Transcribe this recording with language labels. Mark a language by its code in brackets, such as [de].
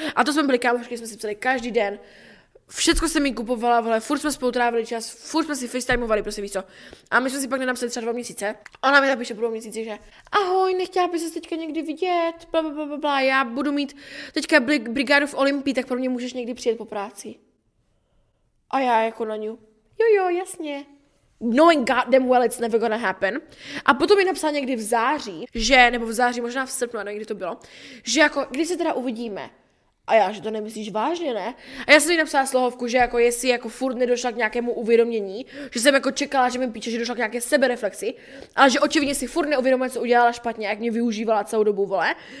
[cs] A to jsme byli kámošky, jsme si psali každý den. Všecko jsem jí kupovala, vole, furt jsme spolu trávili čas, furt jsme si facetimeovali, prosím víš co. A my jsme si pak nenapsali třeba 2 měsíce. Ona mi napíše po 2 měsíci, že ahoj, nechtěla by se teďka někdy vidět, blablabla, já budu mít teďka brigádu v Olympii, tak pro mě můžeš někdy přijet po práci. A já jako na ňu, jo, jasně. [en] Knowing god damn well, it's never gonna happen. [cs] A potom mi napsala někdy v září, že, nebo v září, možná v srpnu, ano, někdy to bylo, že jako, když se teda uvidíme. A já, že to nemyslíš vážně, ne? A já jsem jí napsala slohovku, že jako jestli jako furt nedošla k nějakému uvědomění, že jsem jako čekala, že mi píče, že došla k nějaké sebereflexi, ale že očividně si furt neuvědomuje, co udělala špatně, jak mě využívala celou dobu, vole.